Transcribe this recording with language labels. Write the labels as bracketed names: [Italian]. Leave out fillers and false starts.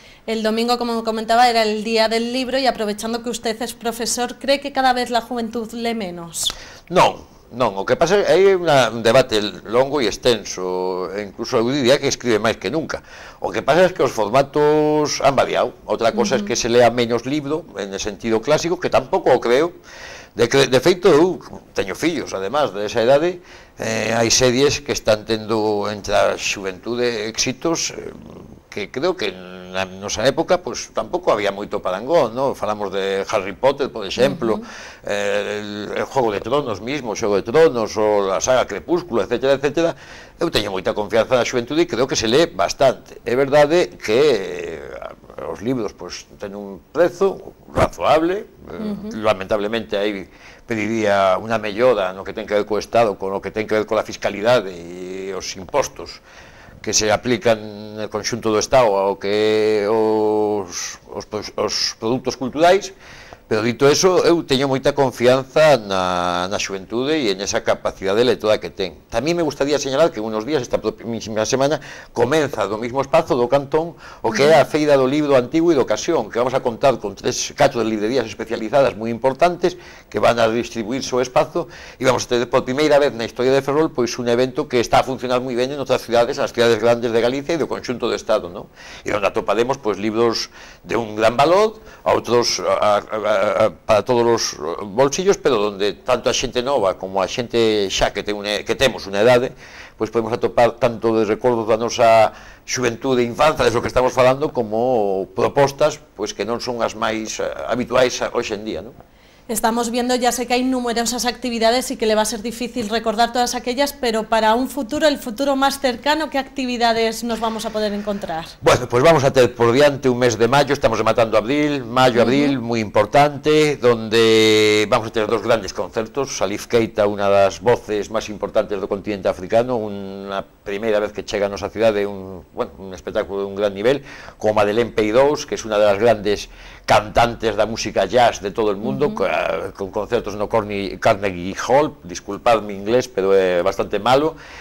[Spanish] El domingo, como comentaba, era el Día del Libro, y aprovechando que usted es profesor, ¿cree que cada vez la juventud lee menos? [Galician] Non, o que pasa é que hai un debate longo e extenso, incluso eu diría que escribe máis que nunca. O que pasa é que os formatos han variado. Outra cosa é que se lea menos libro, [Spanish] en el sentido clásico, [Galician] que tampouco o creo. De feito, eu teño fillos, [Spanish] además, de esa [Galician] edade, hai series que están tendo entre a xuventude éxitos que creo que na nosa época tampouco había moito parangón. Falamos de Harry Potter, por exemplo, [Spanish] el Juego de Tronos mismo, [Galician] o Xogo de Tronos, ou a saga Crepúsculo, etcétera. Eu teño moita confianza na xuventude e creo que se lee bastante. É verdade que [Spanish] los libros pues tienen un precio razonable. Lamentablemente ahí pediría una [Galician] mellora [Spanish] en lo que tiene que ver con el Estado, con lo que tiene que ver con la fiscalidad y los impuestos que se aplican en el conjunto del Estado [Galician] o que os [Spanish] productos culturales. [Galician] Pero dito eso, eu teño moita confianza na xuventude e en esa capacidade lectora que ten. Tamén me gustaría señalar que unos días, esta próxima semana, comeza do mesmo espazo do Cantón o que era a feira do libro antigo e de ocasión, que vamos a contar con 3 ou 4 librerías especializadas moi importantes que van a distribuirse o espazo e vamos a ter por primeira vez na historia de Ferrol pois un evento que está a funcionar moi ben en outras cidades, as cidades grandes de Galicia e do conxunto do Estado, non? E onde atoparemos pois libros de un gran valor a outros... para todos os bolsillos, pero onde tanto a xente nova como a xente xa que temos unha edade, pois podemos atopar tanto de recordos da nosa xuventude e infanza, deso que estamos falando, como propostas pois que non son as máis habituais hoxendía, non? [Spanish] Estamos viendo, ya sé que hay numerosas actividades y que le va a ser difícil recordar todas aquellas, pero para un futuro, el futuro más cercano, ¿qué actividades nos vamos a poder encontrar? Bueno, pues vamos a tener [Galician] por diante [Spanish] un mes de mayo, estamos rematando abril, mayo-abril, muy importante, donde vamos a tener 2 grandes conciertos, Salif Keita, una de las voces más importantes del continente africano, una primera vez que llega a nuestra ciudad, un espectáculo de un gran nivel, con Madeleine Peidous, que es una de las grandes cantantes de música jazz de todo el mundo, con [Galician] concertos no Carnegie Hall, [Spanish] disculpad mi inglés, pero [Galician] é bastante malo.